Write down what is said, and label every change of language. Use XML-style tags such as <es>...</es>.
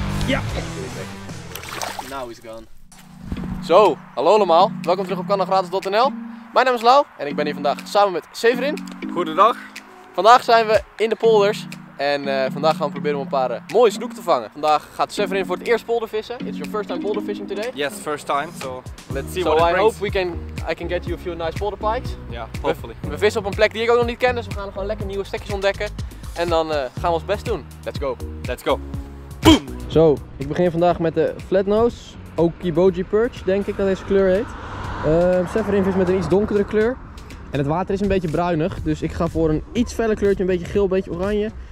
<en>Yeah. Now he's gone.</en> <nl>Zo, hallo allemaal. Welkom terug op kanalgratis.nl. Mijn naam is Lau en ik ben hier vandaag samen met Severin. Goedendag. Vandaag zijn we in de polders. En vandaag gaan we proberen om een paar mooie snoeken te vangen. Vandaag gaat Severin voor het eerst poldervissen.</nl> <en>It's your first time poldervishing today? Yes, first time. So let's see so what it brings. So I hope I can get you a few nice polder pikes. Yeah, hopefully.</en> <nl>We vissen op een plek die ik ook nog niet ken, dus we gaan gewoon lekker nieuwe stekjes ontdekken. En dan gaan we ons best doen.</nl> <en>Let's go. Let's go. Boom!</en> <nl>Zo, ik begin vandaag met de flatnose. Okiboji perch, denk ik dat deze kleur heet. Severin vis met een iets donkere kleur. En het water is een beetje bruinig, dus ik ga voor een iets feller kleurtje, een beetje geel, een beetje oranje.</nl>